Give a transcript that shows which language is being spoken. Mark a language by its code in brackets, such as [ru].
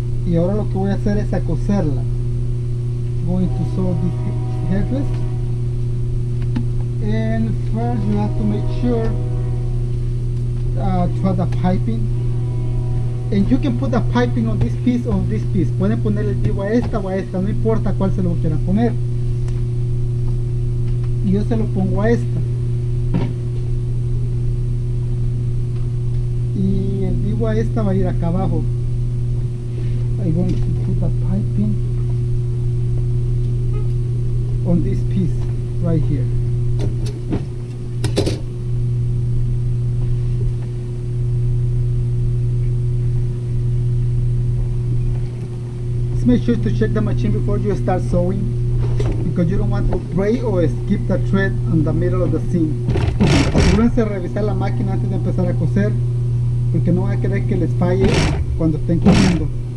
[es] Y ahora lo que voy a hacer es a coserla. [en] Going to sew this headrest. And first you have to make sure to have the piping. And you can put the piping on this piece or this piece. [es] Pueden poner el vivo a esta o a esta, no importa cuál se lo quieran poner. Yo se lo pongo a esta. Digo, a esta va a ir acá abajo. [en] I'm going to put a piping on this piece right here. Just make sure to check the machine before you start sewing, because you don't want to break or skip the thread on the middle of the seam. [es] Asegúrense de revisar la máquina antes de empezar a coser, porque no va a querer que les falle cuando estén cosiendo.